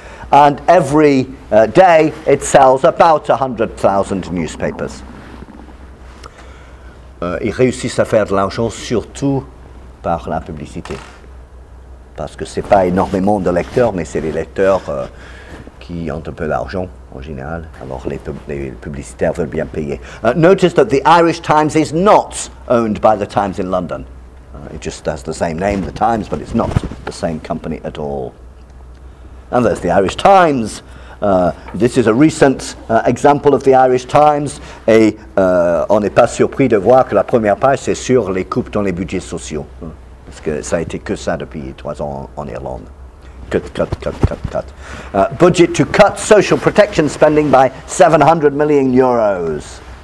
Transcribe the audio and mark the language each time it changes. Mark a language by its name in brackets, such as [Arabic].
[English] And every day it sells about 100,000 newspapers. [French] Ils réussissent à faire de l'argent surtout par la publicité. Parce que c'est pas énormément de lecteurs, mais c'est les lecteurs qui ont un peu d'argent. En général, alors les publicitaires veulent bien payer. [English] Notice that the Irish Times is not owned by the Times in London. It just has the same name, the Times, but it's not the same company at all. And there's the Irish Times. This is a recent example of the Irish Times. [French] Et on n'est pas surpris de voir que la première page, c'est sur les coupes dans les budgets sociaux. Parce que ça a été que ça depuis 3 ans en Irlande. [English] Cut, cut, cut, cut, cut. Budget to cut social protection spending by 700 million euros.